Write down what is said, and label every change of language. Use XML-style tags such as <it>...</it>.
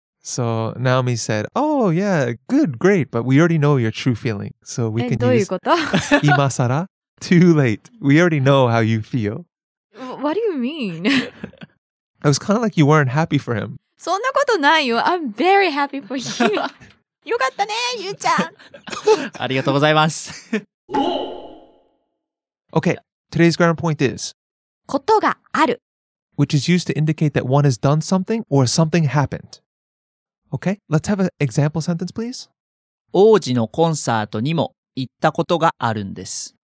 <en>So Naomi said, oh yeah, good, great, but we already know your true feeling. So we can use 今更 too late. We already know how you feel. What do you mean? It was kind of like you weren't happy for him.</en> <ja>そんなことないよ。</ja> <en>I'm very happy for you.</en> <ja>よかったね、ゆうちゃん。ありがとうございます。</ja> <en>Okay, today's grammar point is</en> <ja>ことがある</ja> <en>which is used to indicate that one has done something or something happened. Okay, let's have an example sentence, please.</en> <ja>王子のコンサートにも行ったことがあるんです。</ja>